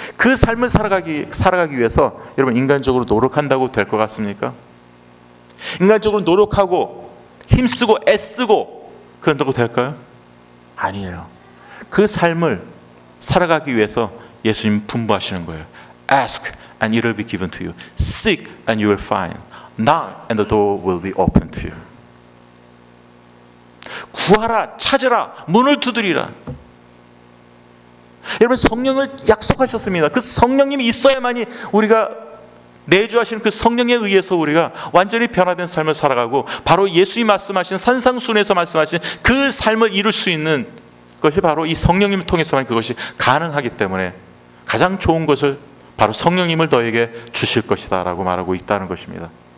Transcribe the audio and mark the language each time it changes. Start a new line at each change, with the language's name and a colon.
Korean: 그 삶을 살아가기 위해서 여러분 인간적으로 노력한다고 될 것 같습니까? 인간적으로 노력하고 힘쓰고 애쓰고 그런다고 될까요? 아니에요. 그 삶을 살아가기 위해서 예수님 분부하시는 거예요.
English: Ask and it will be given to you. Seek and you will find. Knock and the door will be open to you.
Korean: 구하라, 찾으라, 문을 두드리라. 여러분 성령을 약속하셨습니다. 그 성령님이 있어야만이 우리가 내주하시는 그 성령에 의해서 우리가 완전히 변화된 삶을 살아가고 바로 예수님이 말씀하신 산상순에서 말씀하신 그 삶을 이룰 수 있는 것이 바로 이 성령님을 통해서만 그것이 가능하기 때문에 가장 좋은 것을 바로 성령님을 너에게 주실 것이다 라고 말하고 있다는 것입니다.